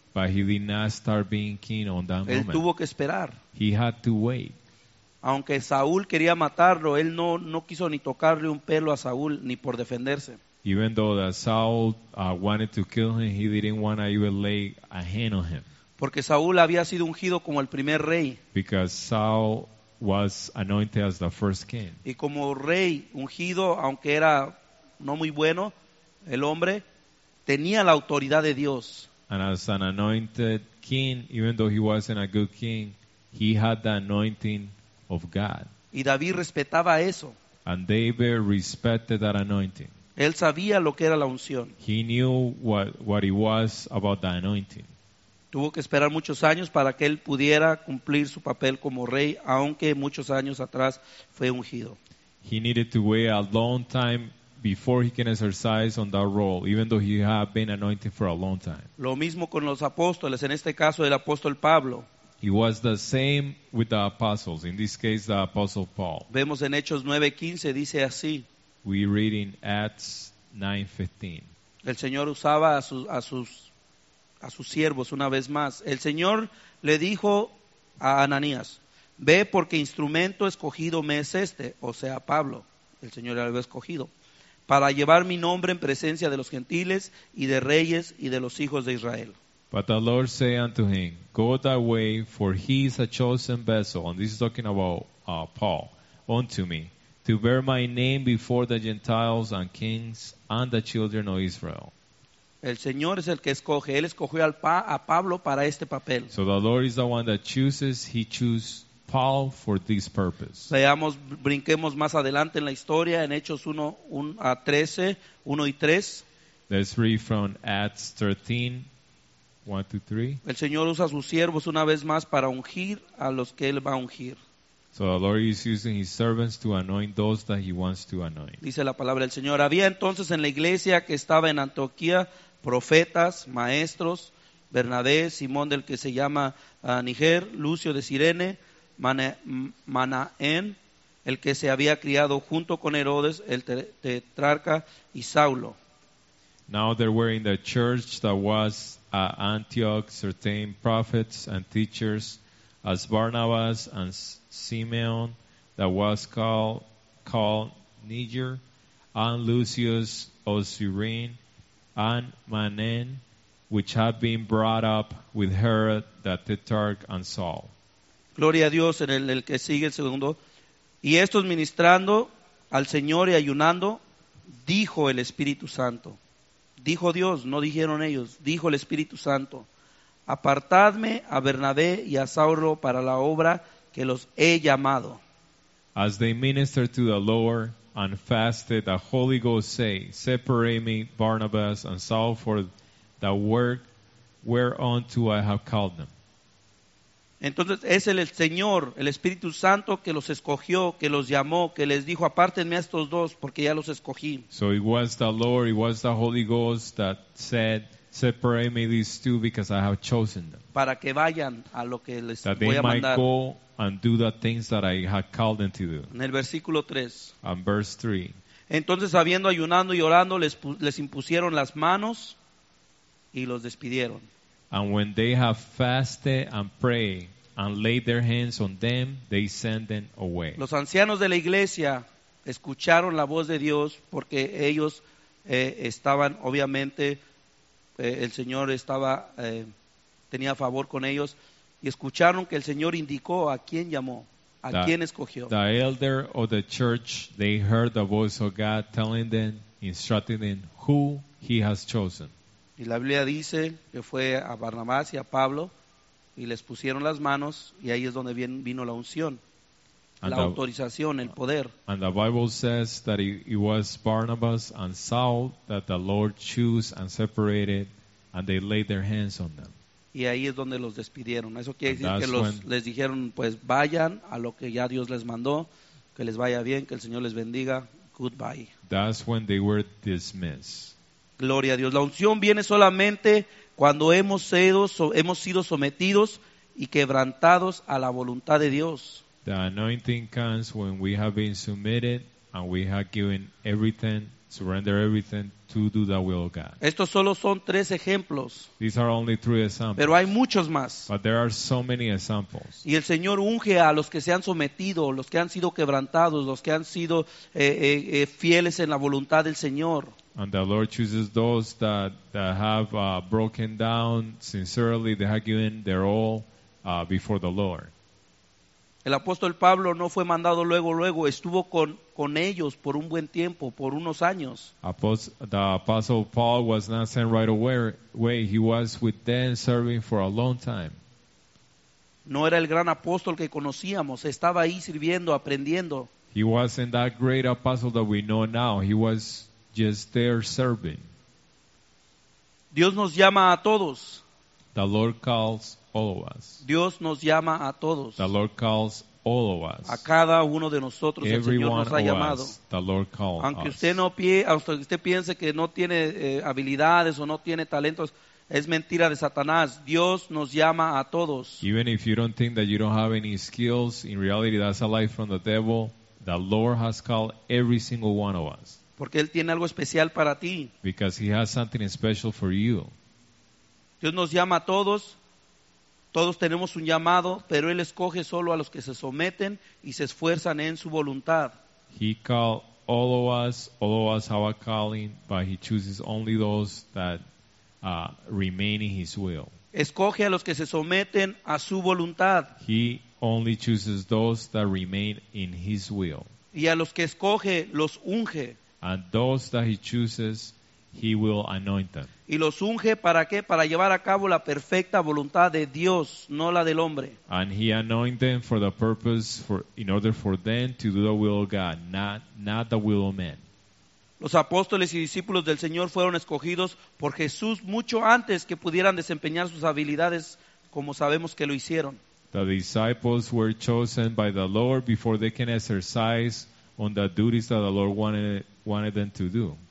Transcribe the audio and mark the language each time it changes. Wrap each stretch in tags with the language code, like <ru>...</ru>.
<en>But he did not start being king on that</en> <es>él Él tuvo que esperar.</es> <en>He had to wait.</en> <es>Aunque Saúl quería matarlo, él no quiso ni tocarle un pelo a Saúl ni por defenderse.</es> <en>Even though that Saul wanted to kill him, he didn't want to even lay a hand on him.</en> <es>Porque Saúl había sido ungido como el primer rey.</es> <en>Because Saul was anointed as the first king.</en> <es>Y como rey ungido, aunque era no muy bueno el hombre, tenía la autoridad de Dios.</es> <en>And as an anointed king, even though he wasn't a good king, he had the anointing of God.</en> <es>Y David respetaba eso.</es> <en>And David respected that anointing.</en> <es>Él sabía lo que era la unción.</es> <en>He knew what it was about the anointing.</en> <es>Tuvo que esperar muchos años para que él pudiera cumplir su papel como rey, aunque muchos años atrás fue ungido.</es> <en>He needed to wait a long time before he can exercise on that role, even though he had been anointed for a long time.</en> <es>Lo mismo con los apóstoles, en este caso el apóstol Pablo.</es> <en>It was the same with the apostles, in this case the apostle Paul.</en> <es>Vemos en Hechos 9:15, dice así.</es> <en>We read in Acts 9:15.</en> <es>El Señor usaba a sus siervos una vez más. El Señor le dijo a Ananías, ve porque instrumento escogido me es este, o sea Pablo, el Señor le había escogido, para llevar mi nombre en presencia de los gentiles y de reyes y de los hijos de Israel.</es> <en>But the Lord said unto him, go thy way, for he is a chosen vessel, and this is talking about Paul, unto me, to bear my name before the Gentiles and kings and the children of Israel.</en> <es>El Señor es el que escoge. Él escogió a Pablo para este papel.</es> <en>So the Lord is the one that chooses. He chose Paul for this purpose.</en> <es>Veamos, brinquemos más adelante en la historia, en Hechos 1, 1 a 13, 1 y 3.</es> <en>Let's read from Acts 13, 1 to 3.</en> <es>El Señor usa sus siervos una vez más para ungir a los que Él va a ungir.</es> <en>So the Lord is using His servants to anoint those that He wants to anoint.</en> <es>Dice la palabra del Señor. Había entonces en la iglesia que estaba en Antioquía profetas, maestros, Bernabé, Simón del que se llama Niger, Lucio de Cirene, Manaén, el que se había criado junto con Herodes, el tetrarca, y Saulo.</es> <en>Now there were in the church that was at Antioch certain prophets and teachers, as Barnabas and Simeon, that was called Niger, and Lucius of Cyrene, and Manaén, which had been brought up with Herod the tetrarch, and Saul.</en> <es>Gloria a Dios en el que sigue el segundo. Y estos ministrando al Señor y ayunando, dijo el Espíritu Santo. Dijo Dios, no dijeron ellos, dijo el Espíritu Santo. Apartadme a Bernabé y a Saulo para la obra que los he llamado.</es> <en>As they ministered to the Lord and fasted, the Holy Ghost said, separate me, Barnabas and Saul, for the work whereunto I have called them.</en> <es>Entonces es el Señor, el Espíritu Santo que los escogió, que los llamó, que les dijo, apártenme a estos dos porque ya los escogí.</es> <en>So it was the Lord, it was the Holy Ghost that said, separate me these two because I have chosen them.</en> <es>Para que vayan a lo que les</es> <en>that</en> <es>voy a mandar.</es> <en>That they might go and do the things that I had called them to do.</en> <es>En el versículo 3.</es> <en>And verse 3.</en> <es>Entonces habiendo ayunando y orando, les impusieron las manos y los despidieron.</es> <en>And when they have fasted and prayed and laid their hands on them, they send them away.</en> <es>Los ancianos de la iglesia escucharon la voz de Dios porque ellos estaban, obviamente, el Señor estaba, tenía favor con ellos. Y escucharon que el Señor indicó a quién llamó, a quién escogió.</es> <en>The elder of the church, they heard the voice of God telling them, instructing them who He has chosen.</en> <es>Y la Biblia dice que fue a Barnabás y a Pablo y les pusieron las manos y ahí es donde vino la unción, autorización, el poder.</es> <en>And the Bible says that it was Barnabas and Saul that the Lord chose and separated and they laid their hands on them.</en> <es>Y ahí es donde los despidieron. Eso quiere decir que les dijeron, pues vayan a lo que ya Dios les mandó, que les vaya bien, que el Señor les bendiga.</es> <en>Goodbye. That's when they were dismissed.</en> <es>Gloria a Dios. La unción viene solamente cuando hemos sido sometidos y quebrantados a la voluntad de Dios.</es> <en>The anointing comes when we have been submitted and we have given everything, surrendered everything to do the will of God.</en> <es>Estos solo son tres ejemplos.</es> <en>These are only three examples.</en> <es>Pero hay muchos más.</es> <en>But there are so many examples.</en> <es>Y el Señor unge a los que se han sometido, los que han sido quebrantados, los que han sido fieles en la voluntad del Señor.</es> <en>And the Lord chooses those that have broken down sincerely, they have given their all before the Lord.</en> <es>El apóstol Pablo no fue mandado luego, estuvo con ellos por un buen tiempo, por unos años.</es> <en>The apostle Paul was not sent right away, he was with them serving for a long time.</en> <es>No era el gran apóstol que conocíamos, estaba ahí sirviendo, aprendiendo.</es> <en>He wasn't that great apostle that we know now, he was just there serving.</en> <es>Dios nos llama a todos.</es> <en>The Lord calls all of us.</en> <es>Dios nos llama a todos.</es> <en>The Lord calls all of us.</en> <es>A cada uno de nosotros</es> <en>everyone</en> <es>el Señor nos ha llamado.</es> <en>Us, the Lord calls</en> <es>aunque</es> <en>us.</en> <es>Usted no usted piense que no tiene habilidades o no tiene talentos, es mentira de Satanás. Dios nos llama a todos.</es> <en>Even if you don't think that you don't have any skills, in reality that's a lie from the devil. The Lord has called every single one of us.</en> <es>Porque Él tiene algo especial para ti.</es> <en>Because He has something special for you.</en> <es>Dios nos llama a todos. Todos tenemos un llamado, pero Él escoge solo a los que se someten y se esfuerzan en su voluntad.</es> <en>He called all of us have a calling, but He chooses only those that remain in His will.</en> <es>Escoge a los que se someten a su voluntad.</es> <en>He only chooses those that remain in His will.</en> <es>Y a los que escoge, los unge.</es> <en>And those that He chooses, He will anoint them.</en> <es>Y los unge, ¿para qué? Para llevar a cabo la perfecta voluntad de Dios, no la del hombre.</es> <en>And he anoint them for the purpose, for in order for them to do the will of God, not the will of men.</en> <es>Los apóstoles y discípulos del Señor fueron escogidos por Jesús mucho antes que pudieran desempeñar sus habilidades como sabemos que lo hicieron.</es> <en>The disciples were chosen by the Lord before they can exercise on the duties that the Lord wanted them to do.</en>